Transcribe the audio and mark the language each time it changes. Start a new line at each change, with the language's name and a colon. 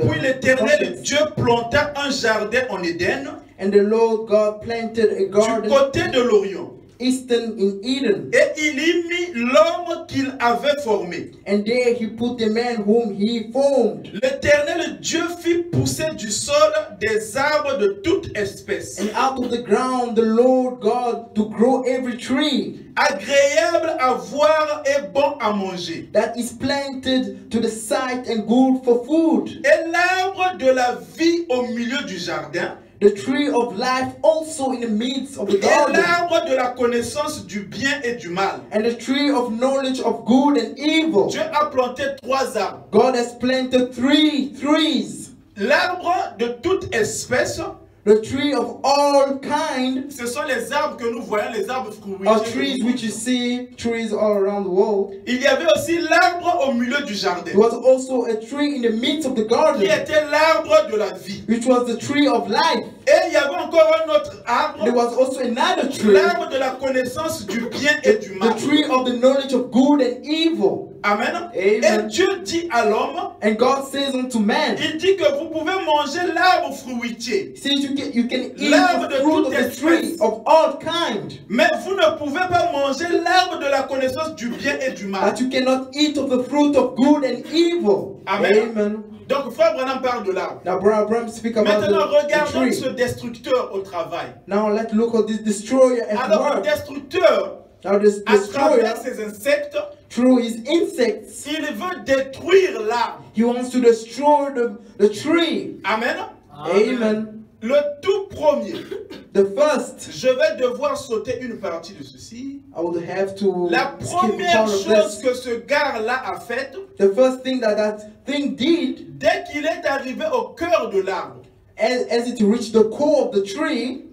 French: puis l'Éternel Dieu planta un jardin en Éden.
English: And the Lord God planted a garden.
French: Du côté de l'Orient.
English: Eastern in Eden.
French: Et il y mit l'homme qu'il avait formé.
English: And there he put the man whom he formed.
French: L'Éternel Dieu fit pousser du sol des arbres de toute espèce.
English: And out of the ground the Lord God to grow every tree.
French: Agréable à voir et bon à manger.
English: That is planted to the sight and good for food.
French: Et l'arbre de la vie au milieu du jardin.
English: The tree of life also in the midst of the garden.
French: Et l'arbre de la connaissance du bien et du mal.
English: And the tree of knowledge of good and evil.
French: Dieu a planté trois arbres.
English: God has planted three trees.
French: L'arbre de toute espèce.
English: The tree of all kind.
French: Ce sont les arbres que nous voyons, les arbres fruitiers.
English: Are trees which you see, trees all around the world.
French: Il y avait aussi l'arbre au milieu du jardin.
English: There was also a tree in the midst of the garden.
French: Qui était l'arbre de la vie.
English: Which was the tree of life.
French: Et il y avait encore un autre arbre.
English: There was also another tree.
French: L'arbre de la connaissance du bien et du mal.
English: The tree of the knowledge of good and evil.
French: Amen.
English: Amen.
French: Et Dieu dit à l'homme.
English: And God says unto man.
French: Il dit que vous pouvez manger l'arbre fruitier.
English: You can eat the fruit of the tree of all kind.
French: Mais vous ne pouvez pas manger l'arbre de la connaissance du bien et du mal.
English: But you cannot eat of the fruit of good and evil.
French: Amen.
English: Amen.
French: Donc frère Branham parle de l'arbre. Maintenant regardons ce destructeur au travail.
English: Now let's look at this destroyer at
French: alors,
English: work.
French: Alors destructeur.
English: Now this destroyer.
French: À travers ses insectes.
English: Through his insects.
French: Il veut détruire l'arbre.
English: He wants to destroy the tree.
French: Amen.
English: Amen.
French: Le tout premier.
English: The first.
French: Je vais devoir sauter une partie de ceci.
English: I would have to.
French: La première chose que ce gars-là a faite.
English: The first thing that thing did.
French: Dès qu'il est arrivé au cœur de l'arbre.
English: As it reached the core of the tree.